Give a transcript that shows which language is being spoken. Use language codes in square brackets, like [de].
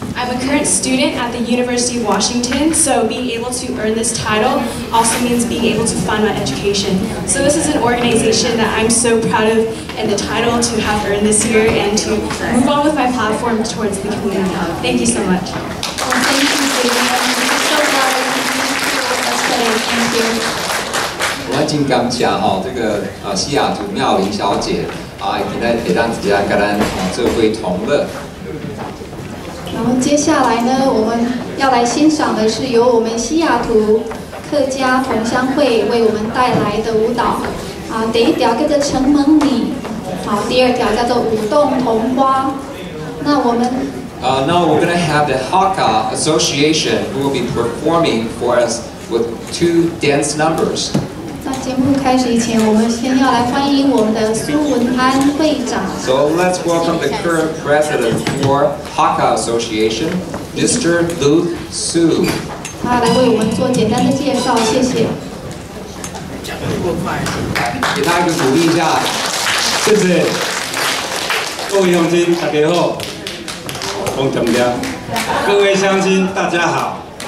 [en] I'm a current student at the University of Washington, so being able to earn this title also means being able to fund my education. So this is an organization that I'm so proud of and the title to have earned this year and to move on with my platform towards the community. Thank you so much. Well, thank you, Vivian. Thank you so much for being here with us today. Thank you. [zh] 我很感谢这个西雅图妙龄小姐，也在台上直接跟咱做会同乐。然后接下来呢，我们要来欣赏的是由我们西雅图客家同乡会为我们带来的舞蹈。啊，第一条叫做《承蒙你》，好，第二条叫做《舞动桐花》。那我们 [en] Now we're going to have the Hakka Association who will be performing for us with two dance numbers. [zh] 在节目开始以前，我们先要来欢迎我们的苏文安会长。 [en] So let's welcome the current president for Hakka Association, Mr. Lu Su. [zh] 他来为我们做简单的介绍，谢谢。讲得过快，给他一个鼓励一下，谢谢。各位乡亲，大家好。讲重点。各位乡亲，大家好。